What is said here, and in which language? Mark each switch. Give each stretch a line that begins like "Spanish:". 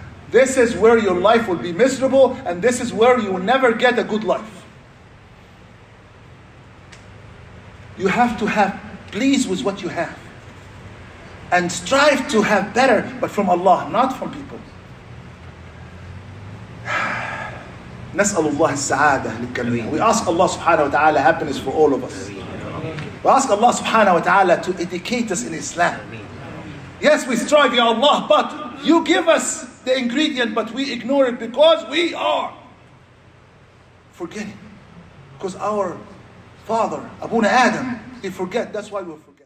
English: This is where your life will be miserable, and this is where you will never get a good life. You have to have pleased with what you have and strive to have better, but from Allah, not from people.
Arabic: نسأل الله السعادة للجميع.
English: We ask Allah subhanahu wa ta'ala happiness for all of us. We ask Allah subhanahu wa ta'ala to educate us in Islam. Yes, we strive, Ya Allah, but you give us the ingredient, but we ignore it because we are forgetting. Because our father, Abuna Adam, he forget. That's why we're forgetting.